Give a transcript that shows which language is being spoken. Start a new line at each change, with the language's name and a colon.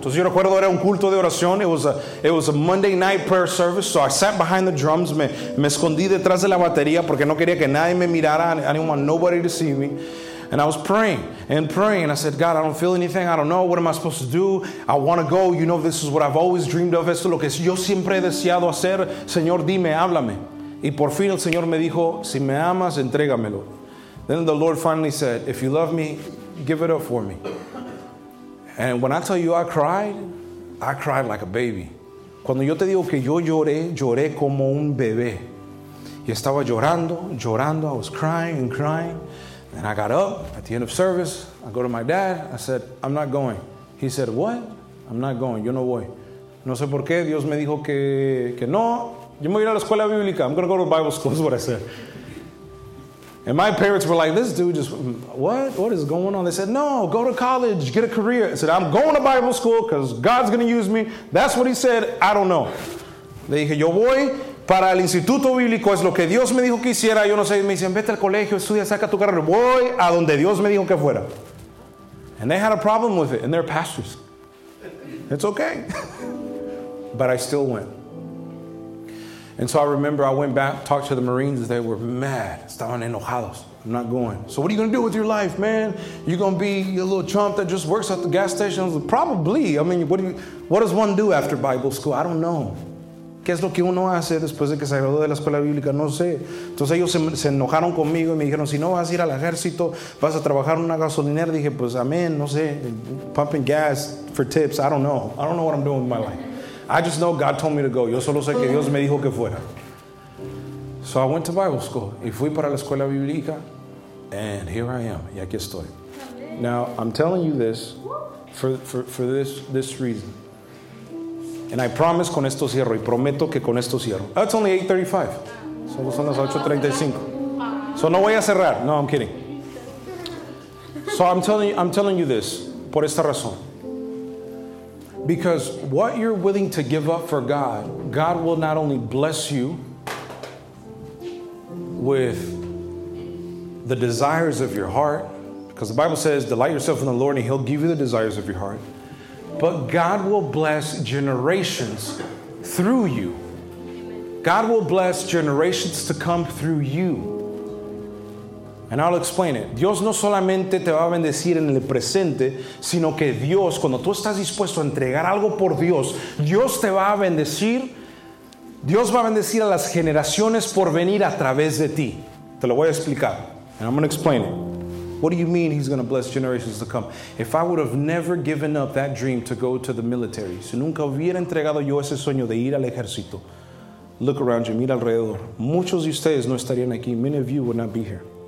Spanish: Entonces yo recuerdo era un culto de oración.
English: It was a Monday night prayer service. So I sat behind the drums.
Spanish: Me escondí detrás de la batería porque no quería que nadie me mirara.
English: I didn't want nobody to see me. And I was praying and praying. And I said, God, I don't feel anything. I don't know. What am I supposed to do? I want to go. You know, this is what I've always dreamed of.
Spanish: Esto es lo que yo siempre he deseado hacer. Señor, dime, háblame. Y por fin el Señor me dijo, si me amas, entrégamelo.
English: Then the Lord finally said, if you love me, give it up for me. And when I tell you I cried like a baby.
Spanish: Cuando yo te digo que yo lloré, lloré como un bebé. Y estaba llorando, llorando.
English: I was crying and crying. And I got up at the end of service. I go to my dad. I said, I'm not going. He said, what? I'm not going.
Spanish: Yo no voy. No sé por qué. Dios me dijo que no. Yo me voy a ir a la escuela bíblica.
English: I'm going to go to Bible school. That's what I said. And my parents were like, this dude just, what? What is going on? They said, no, go to college, get a career. I said, I'm going to Bible school because God's going to use me. That's what he said. I don't know.
Spanish: Le dije, yo voy para el instituto bíblico. Es lo que Dios me dijo que hiciera. Yo no sé. Me dicen, vete al colegio, estudia, saca tu carrera. Voy a donde Dios me dijo que fuera.
English: And they had a problem with it. And they're pastors. It's okay. But I still went. And so I remember I went back, talked to the Marines. They were mad.
Spanish: Estaban enojados.
English: I'm not going. So what are you going to do with your life, man? You're going to be a little chump that just works at the gas station? Probably. I mean, what does one do after Bible school? I don't know.
Spanish: ¿Qué es lo que uno hace después de que se graduó de la escuela bíblica? No sé. Entonces ellos se enojaron conmigo y me dijeron, si no vas a ir al ejército, vas a trabajar en una gasolinera. Dije, pues, amén, no sé.
English: Pumping gas for tips. I don't know. I don't know what I'm doing with my life. I just know God told me to go.
Spanish: Yo solo sé que Dios me dijo que fuera.
English: So I went to Bible school.
Spanish: Y fui para la escuela bíblica.
English: And here I am.
Spanish: Y aquí estoy.
English: Now, I'm telling you this for this reason. And I promise
Spanish: con esto cierro. Y prometo que con esto cierro.
English: That's only 8:35.
Spanish: Solo son las 8:35. So no voy a cerrar.
English: No, I'm kidding. So I'm telling you this
Spanish: por esta razón.
English: Because what you're willing to give up for God, God will not only bless you with the desires of your heart, because the Bible says, delight yourself in the Lord and He'll give you the desires of your heart, but God will bless generations through you. God will bless generations to come through you. And I'll explain it.
Spanish: Dios no solamente te va a bendecir en el presente, sino que Dios, cuando tú estás dispuesto a entregar algo por Dios, Dios te va a bendecir. Dios va a bendecir a las generaciones por venir a través de ti. Te lo voy a explicar.
English: And I'm going to explain it. What do you mean He's going to bless generations to come? If I would have never given up that dream to go to the military,
Spanish: si nunca hubiera entregado yo ese sueño de ir al ejército,
English: look around you,
Spanish: mira alrededor. Muchos de ustedes no estarían aquí.
English: Many of you would not be here.